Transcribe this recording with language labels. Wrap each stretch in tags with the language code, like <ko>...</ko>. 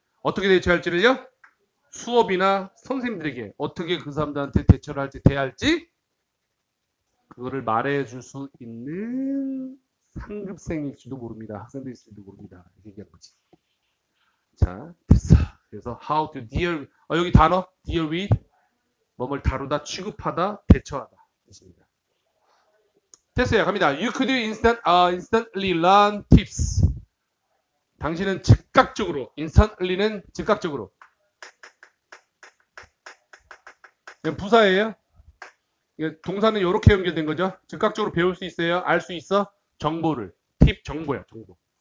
<ko>어떻게 대처할지를요? 수업이나 선생님들에게 어떻게 그 사람들한테 대처를 할지, 대할지, 그거를 말해줄 수 있는 상급생일지도 모릅니다. 학생들일지도 모릅니다. 이렇게 얘기한 거지. 자, 됐어. 그래서 how to deal, 여기 단어, deal with, 뭐뭘 다루다, 취급하다, 대처하다. 있습니다. 됐어요. 갑니다.</ko> <en>You could instantly learn tips.</en> <ko>당신은 즉각적으로, instantly는 즉각적으로. 부사예요. 동사는 이렇게 연결된 거죠. 즉각적으로 배울 수 있어요. 알수 있어. 정보를. tip, 정보야, 정보.</ko>